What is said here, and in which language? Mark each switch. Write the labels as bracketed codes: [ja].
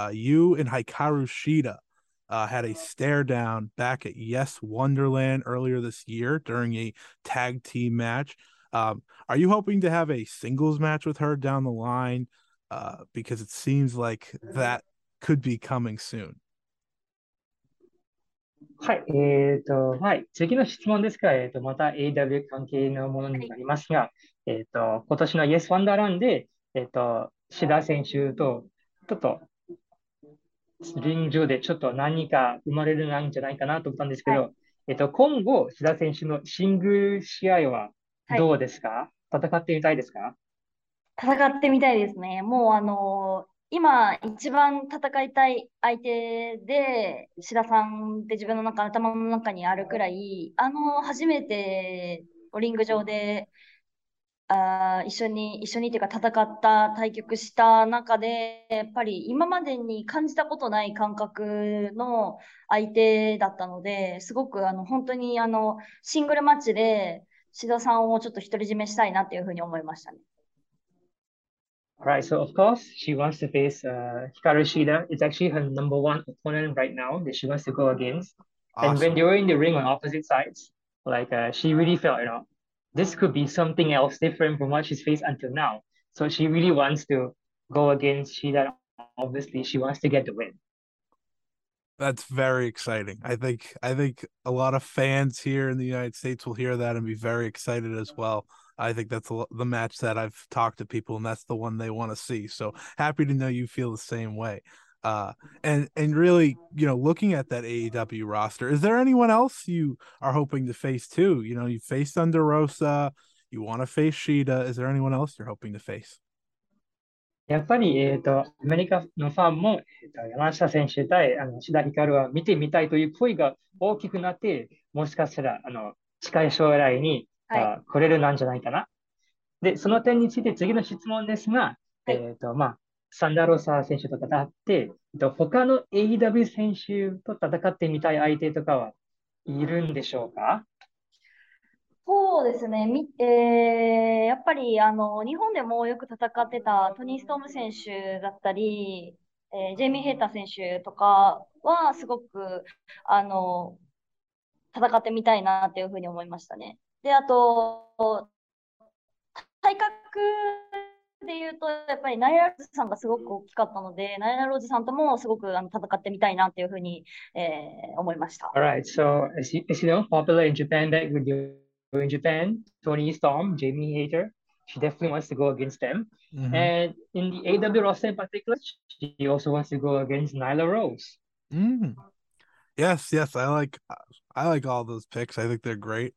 [en] You and Hikaru Shida had a stare down back at Yes Wonderland earlier this year during a tag team match. Are you hoping to have a singles match with her down the line? Because it seems like that could be coming soon. Hi, hi. [ja] 次の質問ですが、また AW 関係のものになりますが、今年の Yes Wonderland で、志田選手とちょっとリング上でちょっと何か生まれるなんじゃないかなと思ったんですけど、はい、今後志田選手のシングル試合はどうですか、はい、戦ってみたいですか？戦ってみたいですね。もう今一番戦いたい相手で志田さんって自分の中頭の中にあるくらい、初めてリング上で一緒にというか戦った対局した中で、やっぱり今までに感じたことない感覚の相手だったので、すごく本当にシングルマッチで志田さんをちょっと独り占めしたいなっていうふうに思いましたね。 [en] Right, so of course she wants to face Hikaru Shida. It's actually her number one opponent right now that she wants to go against. And when they were in the ring on opposite sides, Like she really felt, you know, this could be something else different from what she's faced until now. So she really wants to go against Sheeta. Obviously, she wants to get the win. That's very exciting. I think a lot of fans here in the United States will hear that and be very excited as well. I think that's the match that I've talked to people, and that's the one they want to see. So happy to know you feel the same way. And really, you know, looking at that AEW roster, is there anyone else you are hoping to face too? You know, you faced Thunder Rosa, you want to face Sheeta. Is there anyone else you're hoping to face? [ja] やっぱり、アメリカのファンも、山下選手対志田ひかるは見てみたいという声が大きくなって、もしかしたら近い将来に、はい、来れるなんじゃないかな。で、その点について次の質問ですが、はい、まあ、サンダーローサー選手と戦って、他の AEW 選手と戦ってみたい相手とかはいるんでしょうか？そうですね、やっぱり日本でもよく戦ってたトニー・ストーム選手だったり、ジェイミー・ヘイター選手とかはすごく戦ってみたいなっていうふうに思いましたね。で、あと体格で言うとやっぱりナイラロジさんがすごく大きかったので、ナイラロジさんともすごく戦ってみたいなっていうふうに、思いました。 [en] Alright, so as you know, popular in Japan that would youIn Japan, Tony Storm, Jamie Hayter, she definitely wants to go against them. Mm-hmm. And in the AEW roster in particular, she also wants to go against Nyla Rose. Mm. Yes, yes, I like all those picks. I think they're great.